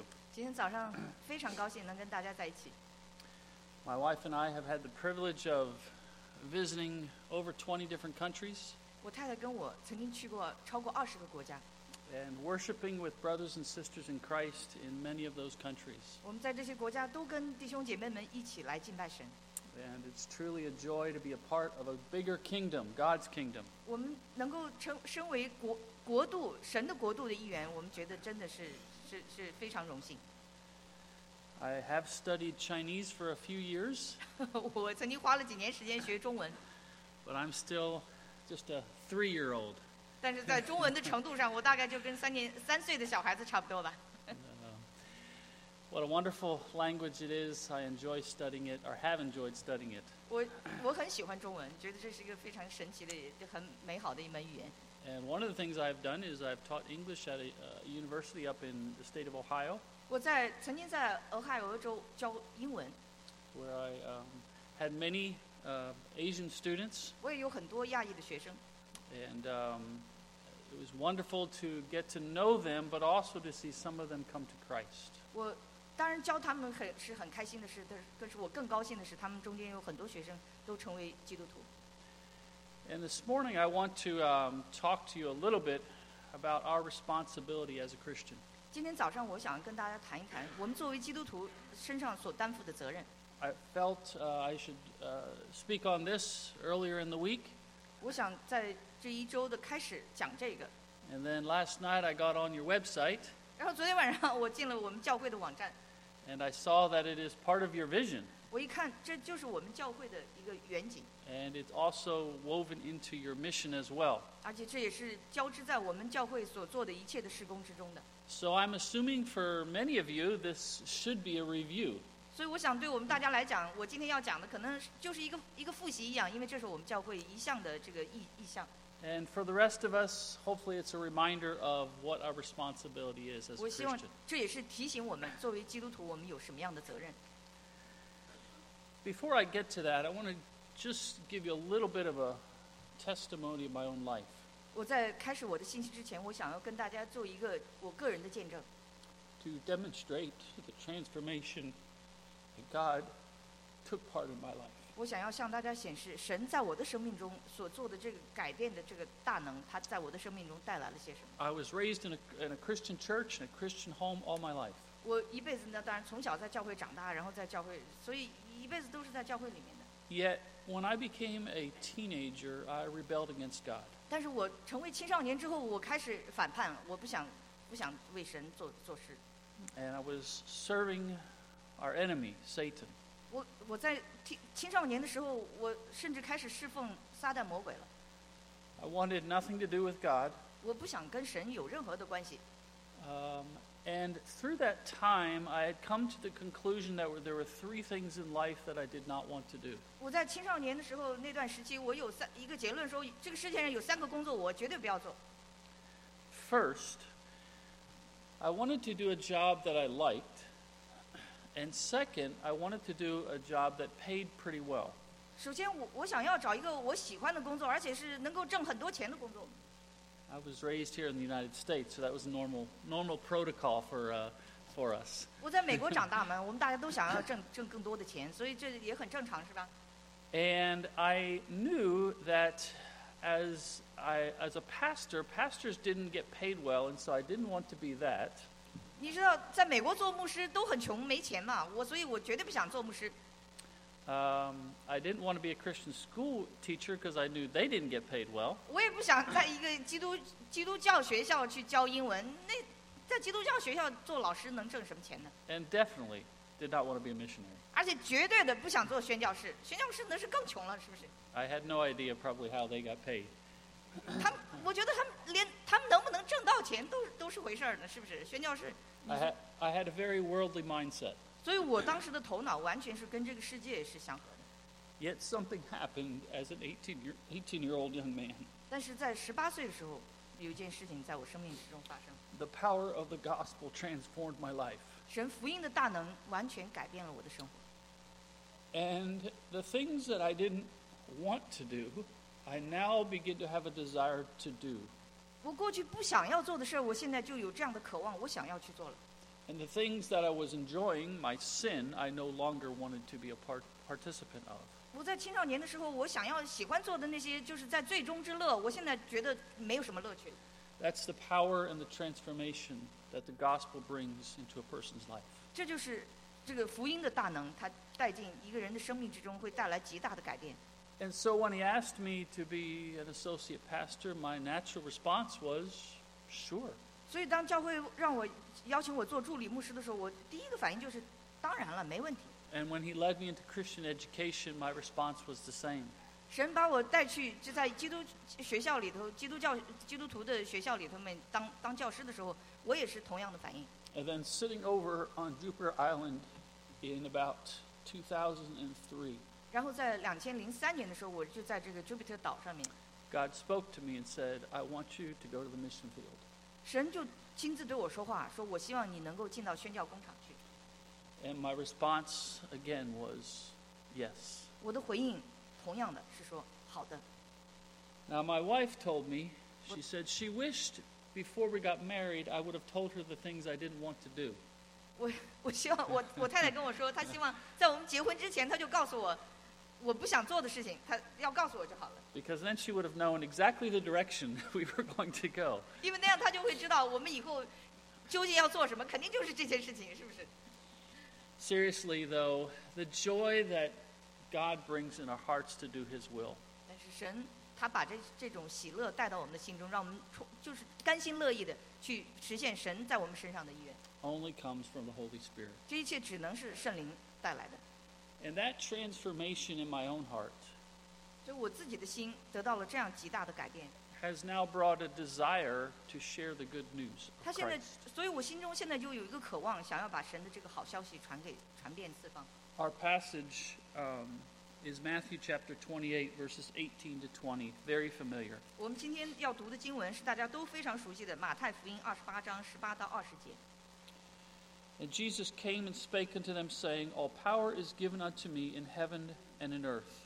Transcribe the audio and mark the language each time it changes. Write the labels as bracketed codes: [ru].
[zh] 今天早上非常高兴能跟大家在一起。 [en] My wife and I have had the privilege of visiting over 20 different countries. [zh] 我太太跟我曾经去过超过20个国家。 [en] And worshiping with brothers and sisters in Christ in many of those countries. [zh] 我们在这些国家都跟弟兄姐妹们一起来敬拜神。 [en] And it's truly a joy to be a part of a bigger kingdom, God's kingdom. [zh] 我们能够身为国度神的国度的一员，我们觉得真的是非常荣幸。 [en] I have studied Chinese for a few years. [zh] 我曾经花了几年时间学中文。 [en] But I'm still just a three-year-old. [zh] 但是在中文的程度上，我大概就跟三岁的小孩子差不多吧。 [en] What a wonderful language it is. I enjoy studying it, or have enjoyed studying it. [zh] 我很喜欢中文，觉得这是一个非常神奇的、很美好的一门语言。 [en] And one of the things I've done is I've taught English at a university up in the state of Ohio. [zh] 我在曾经在俄亥俄州教英文。 [en] Where I had many Asian students. [zh] 我也有很多亚裔的学生。 [en] And it was wonderful to get to know them, but also to see some of them come to Christ. [zh] 我当然教他们是很开心的事，但是我更高兴的是，他们中间有很多学生都成为基督徒。 [en] And this morning I want to talk to you a little bit about our responsibility as a Christian. [zh] 今天早上我想跟大家谈一谈我们作为基督徒身上所担负的责任。 [en] I felt I should speak on this earlier in the week. [zh] 我想在这一周的开始讲这个。 [en] And then last night I got on your website. [zh] 然后昨天晚上我进了我们教会的网站。 [en] And I saw that it is part of your vision. [zh] 我一看这就是我们教会的一个远景。 [en] And it's also woven into your mission as well. [zh] 而且这也是交织在我们教会所做的一切的事工之中的。 [en] So I'm assuming for many of you, this should be a review. [zh] 所以我想对我们大家来讲，我今天要讲的可能就是一个复习一样，因为这是我们教会一项的这个意向。 [en] And for the rest of us, hopefully it's a reminder of what our responsibility is as a Christian. [zh] 我希望这也是提醒我们，作为基督徒，我们有什么样的责任。 [en] Before I get to that, I want to just give you a little bit of a testimony of my own life. [zh] 我在开始我的信息之前，我想要跟大家做一个我个人的见证。 [en] To demonstrate the transformation that God took part in my life. [zh] 我想要向大家显示神在我的生命中所做的这个改变的这个大能，他在我的生命中带来了些什么。 [en] I was raised in a Christian church and a Christian home all my life. [zh] 我一辈子呢，当然从小在教会长大，然后在教会，所以一辈子都是在教会里面的。 [en] Yet when I became a teenager, I rebelled against God. [zh] 但是我成为青少年之后，我开始反叛，我不想为神做事。 [en] And I was serving our enemy, Satan. [zh] 我在青少年的时候，我甚至开始侍奉撒旦魔鬼了。 [en] I wanted nothing to do with God. [zh] 我不想跟神有任何的关系。 [en] And through that time, I had come to the conclusion that there were three things in life that I did not want to do. [zh] 我在青少年的时候那段时期，我有一个结论说，这个世界上有三个工作我绝对不要做。 [en] First, I wanted to do a job that I liked. And second, I wanted to do a job that paid pretty well. [zh] 首先我想要找一个我喜欢的工作，而且是能够挣很多钱的工作。 [en] I was raised here in the United States, so that was normal protocol for us. [zh] 我在美国长大嘛，我们大家都想要挣更多的钱，所以这也很正常，是吧？ [en] And I knew that as a pastor, pastors didn't get paid well, and so I didn't want to be that. [zh] 你知道，在美国做牧师都很穷，没钱嘛，所以我绝对不想做牧师。 [en] I didn't want to be a Christian school teacher because I knew they didn't get paid well. [zh] 我也不想在一个基督教学校去教英文。那在基督教学校做老师能挣什么钱呢？ [en] And definitely did not want to be a missionary. [zh] 而且绝对的不想做宣教士。宣教士那是更穷了，是不是？ [en] I had no idea probably how they got paid. [zh] 我觉得他们能不能挣到钱都是回事呢，是不是？宣教士。 [en] I had a very worldly mindset. [zh] 所以我当时的头脑完全是跟这个世界是相合的。 [en] Yet something happened as an 18-year-old young man. [zh] 但是在十八岁的时候，有一件事情在我生命之中发生。 [en] The power of the gospel transformed my life. [zh] 神福音的大能完全改变了我的生活。 [en] And the things that I didn't want to do, I now begin to have a desire to do. [zh] 我过去不想要做的事儿，我现在就有这样的渴望，我想要去做了。 [en] And the things that I was enjoying, my sin, I no longer wanted to be a participant of. [zh] 我在青少年的时候，我想要喜欢做的那些，就是在最终之乐。我现在觉得没有什么乐趣。 [en] That's the power and the transformation that the gospel brings into a person's life. [zh] 这就是这个福音的大能，它带进一个人的生命之中，会带来极大的改变。 [en] And so when he asked me to be an associate pastor, my natural response was, sure. [zh] 所以当教会让我邀请我做助理牧师的时候，我第一个反应就是，当然了，没问题。 [en] And when he led me into Christian education, my response was the same. [zh] 神把我带去就在基督学校里头，基督徒的学校里头们当教师的时候，我也是同样的反应。 [en] And then sitting over on Jupiter Island in about 2003. [zh] 然后在2003年的时候，我就在这个 Jupiter 岛上面。 [en] God spoke to me and said, "I want you to go to the mission field." [zh] 神就亲自对我说话，说我希望你能够进到宣教工厂去。 [en] And my response again was yes. [zh] 我的回应同样的是说好的。 [en] Now my wife told me, she said she wished before we got married I would have told her the things I didn't want to do. [zh] 我希望我太太跟我说，她希望在我们结婚之前，她就告诉我我不想做的事情，她要告诉我就好了。 [en] Because then she would have known exactly the direction we were going to go. [zh] 因为那样她就会知道我们以后究竟要做什么，肯定就是这些事情，是不是？ [en] Seriously though, the joy that God brings in our hearts to do His will. [zh] 但是神他把这种喜乐带到我们的心中，让我们就是甘心乐意的去实现神在我们身上的意愿。 [en] Only comes from the Holy Spirit. [zh] 这一切只能是圣灵带来的。 [en] And that transformation in my own heart has now brought a desire to share the good news of Christ. [zh] 所以我心中现在就有一个渴望，想要把神的这个好消息传遍四方。 [en] Our passage is Matthew chapter 28, verses 18 to 20. Very familiar. [zh] 我们今天要读的经文是大家都非常熟悉的马太福音28:18-20. [en] And Jesus came and spake unto them, saying, All power is given unto me in heaven and in earth.